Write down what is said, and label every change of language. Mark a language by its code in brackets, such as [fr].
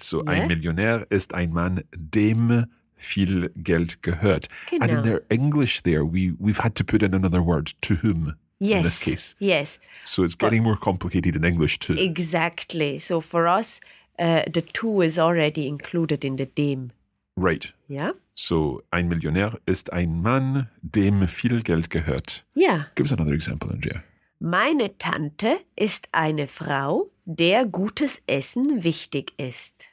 [en] So yeah. [de] Ein Millionär ist ein Mann, dem viel Geld gehört. Genau. [en] And in their English there, we've had to put in another word, to whom, yes. In this case. Yes, so it's getting more complicated in English too. Exactly. So for us, the to is already included in the dem. Right. Yeah. [de] So, ein Millionär ist ein Mann, dem viel Geld gehört. [en] Yeah. Give us another example, Andrea. [de] Meine Tante ist eine Frau, der gutes Essen wichtig ist.